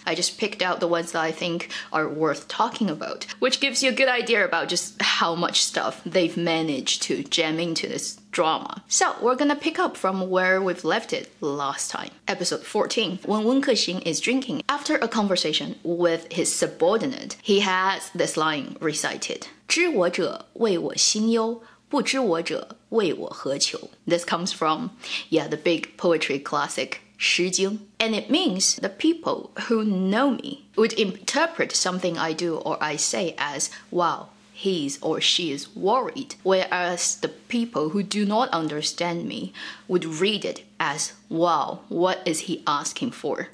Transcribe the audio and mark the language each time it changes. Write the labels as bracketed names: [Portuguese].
[English] I just picked out the ones that I think are worth talking about, which gives you a good idea about just how much stuff they've managed to jam into this drama. So we're gonna pick up from where we've left it last time. Episode 14, when Wen Kexing is drinking after a conversation with his subordinate, he has this line recited. [Chinese] 知我者为我心忧，不知我者为我何求。 [English] This comes from, the big poetry classic, 诗经. And it means the people who know me would interpret something I do or I say as, wow, he's or she is worried, whereas the people who do not understand me would read it as, wow, what is he asking for?